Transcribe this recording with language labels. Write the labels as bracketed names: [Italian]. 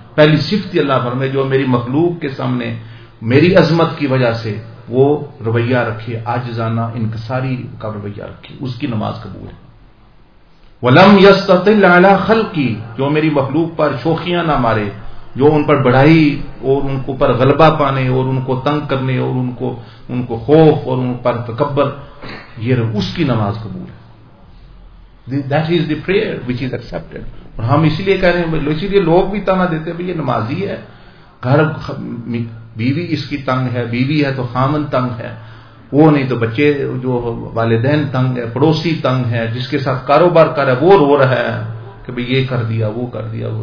[Urdu] پہلی صفت اللہ پاک میں جو میری مخلوق کے سامنے میری عظمت کی وجہ سے وہ رویہ رکھے، عاجزانہ انکساری کا رویہ رکھے، اس کی نماز قبول ہے. [Arabic] ولم يستطل على خلقي، [Urdu] جو میری مخلوق پر شوخیاں نہ مارے، جو ان پر بڑھائی اور ان کو پر غلبہ پانے اور ان کو تنگ کرنے اور ان کو خوف اور ان پر تکبر، یہ اس کی نماز قبول ہے. [English] That is the prayer which is accepted. [Urdu] اور ہم اسی لیے کہہ رہے ہیں، اسی لیے لوگ بھی تانا دیتے ہیں بھائی یہ نمازی ہے، گھر بیوی اس کی تنگ ہے، بیوی ہے تو خامن تنگ ہے، وہ نہیں تو بچے جو والدین تنگ ہے، پڑوسی تنگ ہے، جس کے ساتھ کاروبار کر رہا ہے وہ رو رہا ہے کہ بھئی یہ کر دیا وہ کر دیا.